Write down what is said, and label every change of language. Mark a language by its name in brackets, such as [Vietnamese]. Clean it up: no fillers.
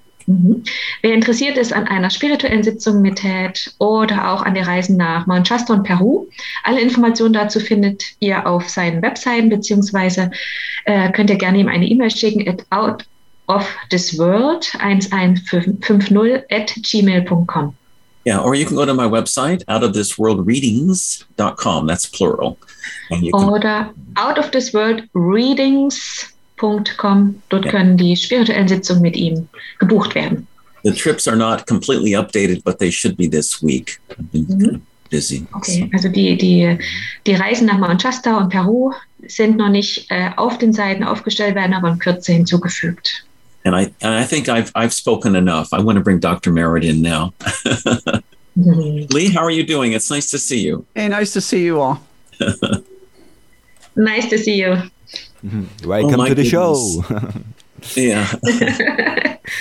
[German] Mhm. Wer interessiert ist an einer spirituellen Sitzung mit Ted oder auch an die Reisen nach Mount Shasta und Peru, alle Informationen dazu findet ihr auf seinen Webseiten, beziehungsweise könnt ihr gerne ihm eine E-Mail schicken at outoftheworld1150@gmail.com. [English] Yeah, or you can go to my website, outoftheworldreadings.com, that's plural. And you oder outoftheworldreadings.com. [German] Dort können die spirituellen Sitzungen mit ihm gebucht werden. [English] The trips are not completely updated, but they should be this week. I've been busy. Okay, so. [German] Also die Reisen nach Mount Shasta und Peru sind noch nicht auf den Seiten aufgestellt, werden aber in Kürze hinzugefügt. [English] And I think I've spoken enough. I want to bring Dr. Merritt in now. Lee, how are you doing? It's nice to see you. Hey, nice to see you all. Nice to see you. Welcome to the goodness. Show. Yeah.